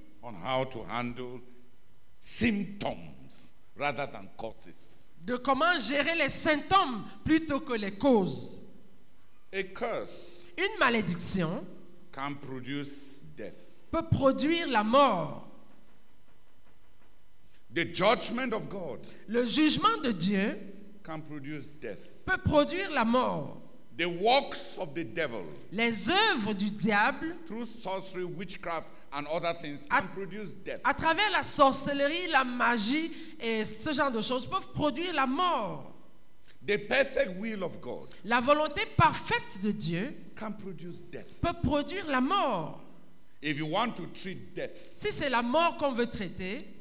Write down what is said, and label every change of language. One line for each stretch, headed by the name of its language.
English: On how to handle symptoms rather than causes.
French: De comment gérer les symptômes plutôt que les causes.
English: A curse.
French: Une malédiction.
English: Can produce death.
French: Peut produire la mort.
English: The judgment of God.
French: Le jugement de Dieu.
English: Can produce death.
French: Peut produire la mort.
English: The works of the devil,
French: les œuvres du diable,
English: through sorcery, witchcraft, and other things, can produce death.
French: À travers la sorcellerie, la magie et ce genre de choses peuvent produire la mort.
English: The perfect will of God,
French: la volonté parfaite de Dieu,
English: can produce death.
French: Peut produire la mort.
English: If you want to treat death,
French: si c'est la mort qu'on veut traiter,